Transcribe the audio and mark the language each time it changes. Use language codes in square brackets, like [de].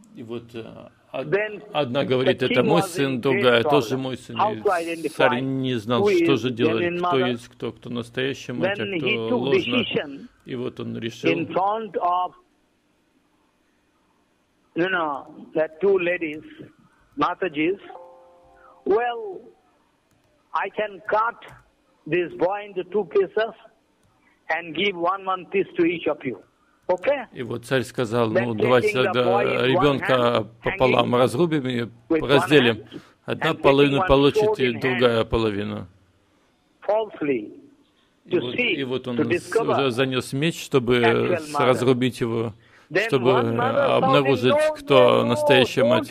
[ru] И вот одна говорит, это мой сын, другая, тоже мой сын. И царь не знал, что же делать, кто есть кто, кто настоящий мать, а кто ложный. И вот он решил. [en] In front of, you know, that two ladies, Matajis, well, I can cut this boy into two pieces and give one piece to each of you. Okay? [ru] И вот царь сказал, ну, давайте тогда ребенка пополам разрубим и разделим. Одна половина получит, и другая половина. [en] Falsely. [ru] И вот он уже занес меч, чтобы разрубить его, чтобы обнаружить, кто настоящая мать.